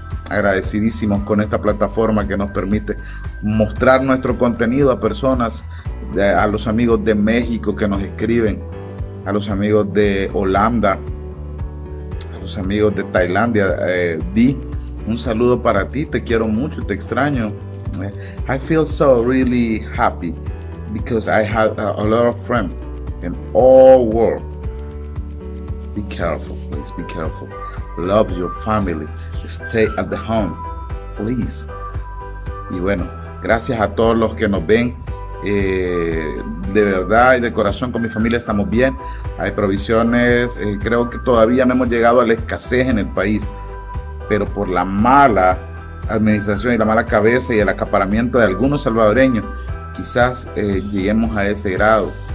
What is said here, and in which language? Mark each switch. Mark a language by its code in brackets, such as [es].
[es] Agradecidísimos con esta plataforma que nos permite mostrar nuestro contenido a personas, a los amigos de México que nos escriben, a los amigos de Holanda, a los amigos de Tailandia. Di, un saludo para ti, te quiero mucho, te extraño. [en] I feel so really happy because I have a lot of friends in all world. Be careful, please, be careful. Love your family. Stay at the home, please. [es] Y bueno, gracias a todos los que nos ven. De verdad y de corazón con mi familia estamos bien. Hay provisiones. Creo que todavía no hemos llegado a la escasez en el país. Pero por la mala administración y la mala cabeza y el acaparamiento de algunos salvadoreños, quizás lleguemos a ese grado.